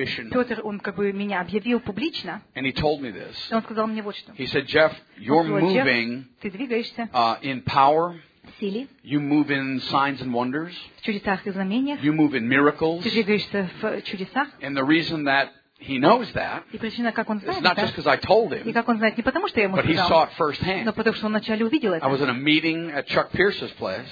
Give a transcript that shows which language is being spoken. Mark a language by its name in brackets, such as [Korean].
[Russian] Петр, он как бы меня объявил публично. [English] And he told me this. [Russian] Он сказал мне вот что. [English] He said, Jeff, you're moving. [Russian] Ты двигаешься. [English] In power. [Russian] Силе. [English] You move in signs and wonders. [Russian] В чудесах и знамениях. [English] You move in miracles. [Russian] Ты двигаешься в чудесах. [English] And the reason that he knows that. [Russian] И причина, как он знает, [English] it's not just because I told him. [Russian] И как он знает, не потому, что я ему [English] but [Russian] сказал, [English] he saw it firsthand. [Russian] Но потому, что он вначале увидел это. [English] I was in a meeting at Chuck Pierce's place.